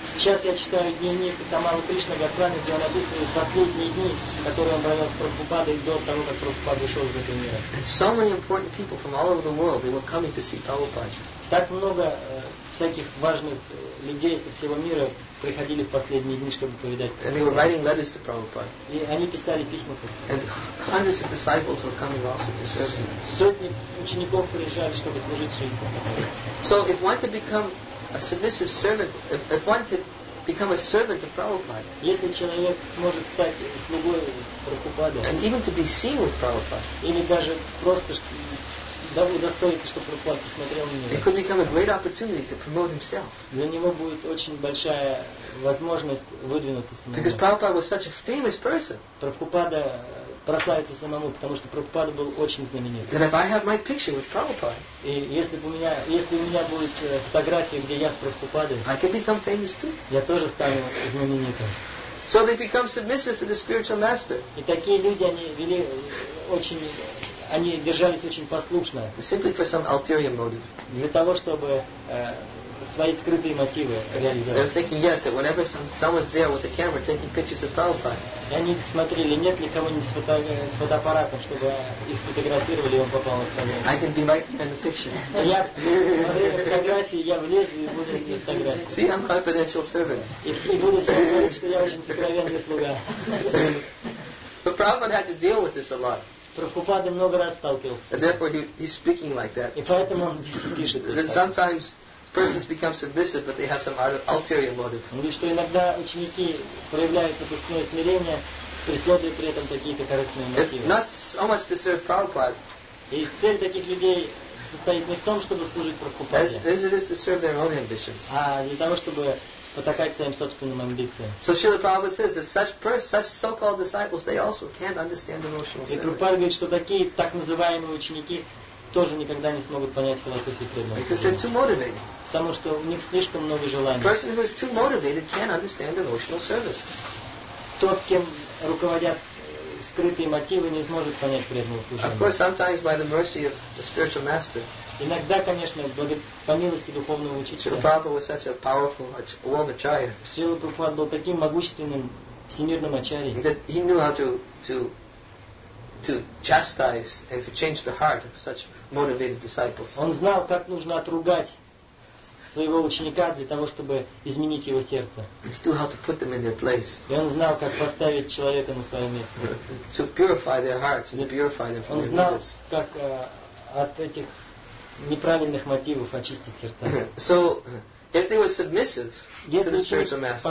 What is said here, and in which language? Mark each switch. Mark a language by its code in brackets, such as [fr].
[ru] Сейчас я читаю дневник Тамалы Кришны Госвами, где он описывает последние дни, которые он провел с Прабхупадой до того, как Прабхупада ушел из этого мира. [en] And so many important people from all over the world, they were coming to see Prabhupada. [ru] Так много всяких важных людей со всего мира приходили в последние дни, чтобы повидать [en] Прабхупаду. And they were writing letters to Prabhupada. [ru] И они писали письма. [en] And hundreds of disciples were coming also to serve him. [ru] Сотни учеников приезжали, чтобы служить Шри Прабхупаде. [en] So if one could become a submissive servant, if one could become a servant of Prabhupada, [ru] если человек сможет стать слугой Прабхупады, [en] and even to be seen with Prabhupada, [ru] или даже просто да, удостоится, чтобы Прабхупад посмотрел на него. [en] It could become a great opportunity to promote himself. [ru] Для него будет очень большая возможность выдвинуться самому. [en] Because Prabhupada was such a famous person. [ru] Прабхупада прославится самому, потому что Прабхупада был очень знаменит. [en] Then if I have my picture with Prabhupada, [ru] и если у меня будет фотография, где я с Прабхупадой, [en] I could become famous too. [ru] Я тоже стану знаменитым. [en] So they become submissive to the spiritual master. [ru] И такие люди, они вели очень... Они держались очень послушно. [en] Simply for some ulterior motive. [ru] Для того, чтобы свои скрытые мотивы реализовать. [en] They were thinking, yes, that whenever someone's there with a camera taking pictures of Prabhupada. [ru] И они смотрели, нет ли кого-нибудь с фотоаппаратом, чтобы их сфотографировали, и он попал на камеру. [en] I can be right behind the picture. [ru] Я смотрю фотографии, я влезу и буду на фотографии. [en] See, I'm a confidential servant. [ru] И все буду сказать, что я очень сокровенный слуга. [en] But Prabhupada had to deal with this a lot. [ru] Прабхупада много раз сталкивался. [en] And therefore he's speaking like that. [ru] И поэтому он пишет. [en] That sometimes persons become submissive, but they have some ulterior motive. [ru] Он говорит, что иногда ученики проявляют напускное смирение, преследуя при этом какие-то корыстные мотивы. [en] If not so much to serve Prabhupada. [ru] И цель таких людей состоит не в том, чтобы служить Прабхупаде. [en] As it is to serve their own ambitions. [ru] А для того, чтобы потакать своим собственным амбициям. [en] So Srila Prabhupada says that such so-called disciples, they also can't understand devotional service. [ru] И Прабхупада говорит, что такие так называемые ученики тоже никогда не смогут понять философию преданного. [en] Because they're too motivated. [ru] Потому что у них слишком много желаний. [en] A person who is too motivated can't understand devotional service. [ru] Тот, кем руководят скрытые мотивы, не сможет понять преданного служения. [en] Of course, sometimes by the mercy of the spiritual master. [ru] Иногда, конечно, по милости духовного учителя. [en] Srila Prabhupada was such a powerful world acharya. [ru] Srila Prabhupada был таким могущественным всемирным ачарьей. [en] That he knew how to chastise and to change the heart of such motivated disciples. [ru] Он знал, как нужно отругать своего ученика для того, чтобы изменить его сердце. [en] And he knew how to put them in their place. [ru] И он знал, как поставить человека на свое место. [en] To purify their hearts and to purify them from their motives. [ru] Он знал, как от этих неправильных мотивов очистить сердца. [en] So, if they were submissive to the spiritual master,